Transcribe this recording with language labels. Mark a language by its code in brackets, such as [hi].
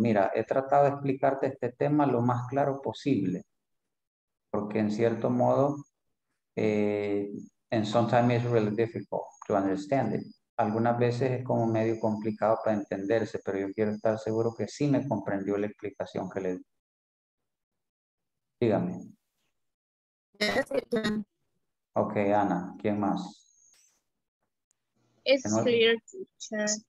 [es] Mira, he tratado de explicarte este tema lo más claro posible. Porque en cierto modo, [en] and sometimes it's really difficult to understand it. [es] Algunas veces es como medio complicado para entenderse, pero yo quiero estar seguro que sí me comprendió la explicación que le di. Dígame. [en] Yes, I can. [es] Okay, Ana, ¿quién más? [en] It's clear, teacher.